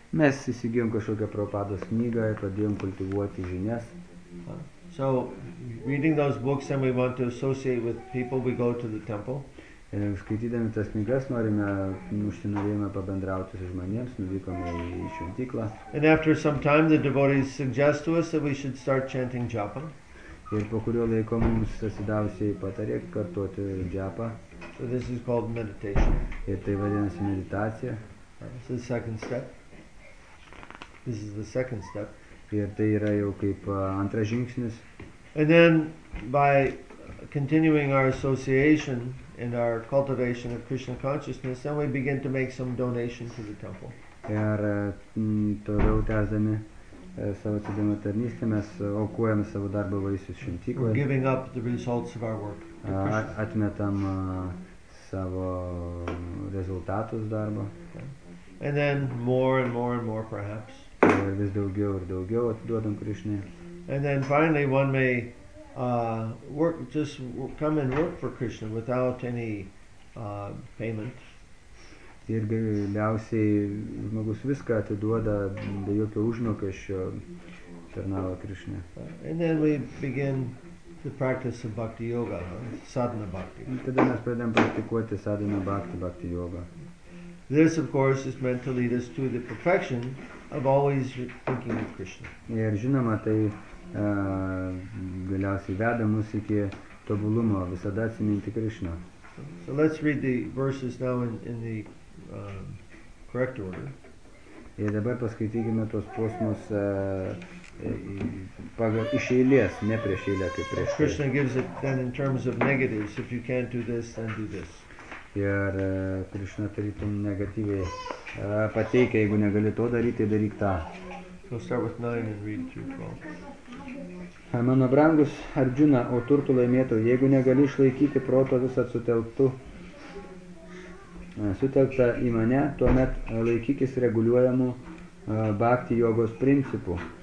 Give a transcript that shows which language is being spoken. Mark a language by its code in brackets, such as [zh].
[lt] Mes įsigijom kažkokią Prabhupados knygą ir pradėjom kultivuoti žinias. [en] So, reading those books and we want to associate with people, we go to the temple. [lt] Ir skaitydami tas knygas norime, užsinorėjome pabendrauti su žmonėms, nuvykome į šventyklą. [en] And after some time the devotees suggest to us that we should start chanting japa. [lt] Ir po kurio laiko mums atsidavusiai patarė kartuoti japa. [en] So this is called meditation. [lt] Ir tai vadinasi meditacija. [en] This is the second step. This is the second step. [lt] Ir tai yra jau kaip antras žingsnis. [en] And then by continuing our association in our cultivation of Krishna consciousness, then we begin to make some donation to the temple. [lt] Ir toliau tęsdami savo atsidavimo tarnystę, mes aukojame savo darbą vaisius šventyklai. [en] We're giving up the results of our work. [lt] Atmetam savo rezultatus darbo. [en] And then more and more and more perhaps. [lt] Ir vis daugiau ir daugiau atiduodam Krishnai. [en] And then finally one may work, just come and work for Krishna without any payment. [lt] Ir galiausiai žmogus viską atiduoda be jokio užmokesčio tarnavo Krishna. [en] And then we begin the practice of bhakti yoga, sadhana bhakti. [lt] Tada mes pradėm praktikuoti sadhana bhakti, bhakti yoga. [en] This of course is meant to lead us to the perfection of always thinking of Krishna. [lt] Ir žinoma, tai galiausiai veda mus iki tobulumo, visada atsiminti Krishna. [en] So let's read the verses now in the correct order. [lt] Ir dabar paskaitykime tos posmus pagal iš eilės, ne prieš eilę, kaip prieš eilę. [en] Krishna gives it then in terms of negatives. If you can't do this, then do this. [lt] Ir Krishna tarytum negatyviai pateikia, jeigu negali to daryti, daryk tą. [en] So start with 9 and read through 12. [lt] Mano brangus Arjuna, o turtų laimėtų, jeigu negali išlaikyti proto visą sutelktą į mane, tuomet laikykis reguliuojamų bhakti jogos principų.